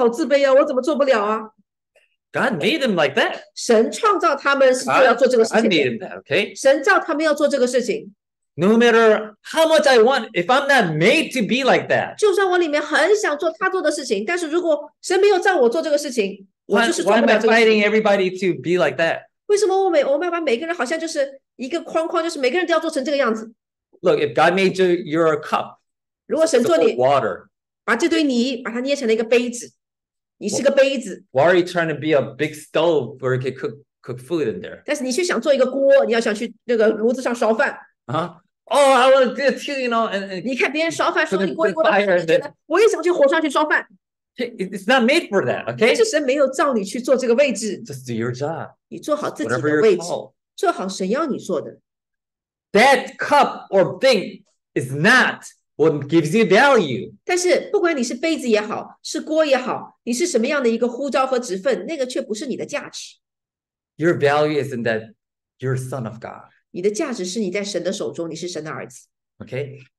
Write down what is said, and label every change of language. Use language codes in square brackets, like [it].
[zh] 你看到其他人，哎呦，这个人怎么能做这么多事情，又觉得好自卑啊，我怎么做不了啊。 [en] God made them like that. [zh] 神创造他们是要做这个事情。 [en] God made them that, okay? [zh] 神造他们要做这个事情。 [en] No matter how much I want, if I'm not made to be like that. [zh] 就算我里面很想做他做的事情，但是如果神没有让我做这个事情， [en] why am I fighting everybody to be like that? [zh] 为什么我们要把每个人好像就是一个框框，就是每个人都要做成这个样子？ [en] Look, if God made you, you're a cup. [zh] 如果神做你, [en] it's a water. [zh] 把这堆泥把它捏成了一个杯子。你是个杯子。 [en] Why are you trying to be a big stove where you can cook food in there? [zh] 但是你却想做一个锅，你要想去那个炉子上烧饭。 Huh? [en] Oh, I want to do it too, you know. And [zh] 你看别人烧饭，说你锅一锅的，我也想去火上去烧饭。 [en] It's not made for that, okay? [zh] 这是神没有造你去做这个位置。 [en] Just do your job. [zh] 你做好自己的位置，做好神要你做的。 [en] That cup or thing is not what gives you value. [zh] 但是不管你是杯子也好，是锅也好，你是什么样的一个呼召和职分，那个却不是你的价值。 [en] Your value is in that you're son of God. [zh] 你的价值是你在神的手中，你是神的儿子。Okay,